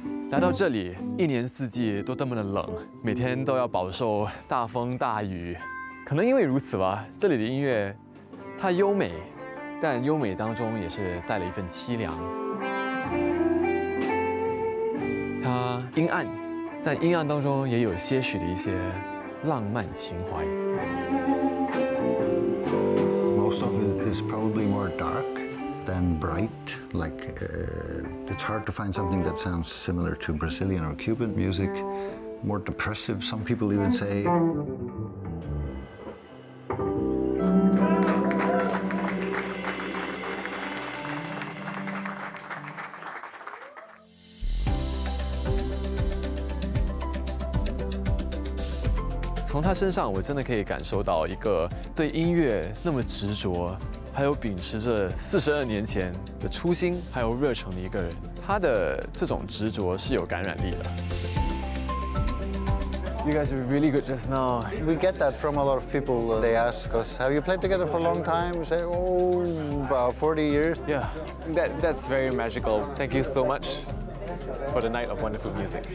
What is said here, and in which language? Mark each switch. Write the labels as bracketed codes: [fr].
[zh] 来到这里，一年四季都这么的冷，每天都要饱受大风大雨，可能因为如此吧，这里的音乐它优美，但优美当中也是带了一份凄凉。它阴暗，但阴暗当中也有些许的一些浪漫情怀。 [en] Most of it is probably more dark than bright. Like, it's hard to find something that sounds similar to Brazilian or Cuban music. More depressive, some people even say. [zh] 从他身上，我真的可以感受到一个对音乐那么执着，还有秉持着42年前的初心还有热忱的一个人。他的这种执着是有感染力的。 [en] You guys were really good just now. We get that from a lot of people. They ask us, "Have you played together for a long time?" We say, "Oh, about 40 years." Yeah, that's very magical. Thank you so much for the night of wonderful music.